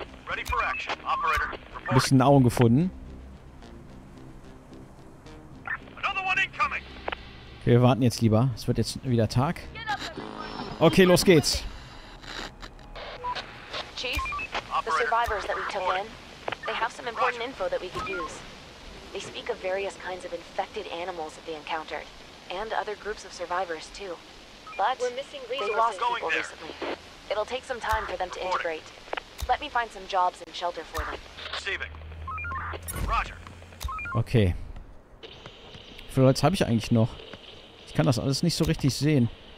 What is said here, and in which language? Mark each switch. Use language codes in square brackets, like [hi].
[de] Ein bisschen Nahrung gefunden. Okay, wir warten jetzt lieber. Es wird jetzt wieder Tag. Okay, los geht's. [en] Chief, the survivors that we took in, they have some important info that we could use. They speak of various kinds of infected animals that they encountered. And other groups of survivors too. But they lost people recently. It'll take some time for them to integrate. Let me find some jobs and shelter for them. Receiving. Roger. Okay. [de] Wie viele Leute habe ich eigentlich noch? Ich kann das alles nicht so richtig sehen.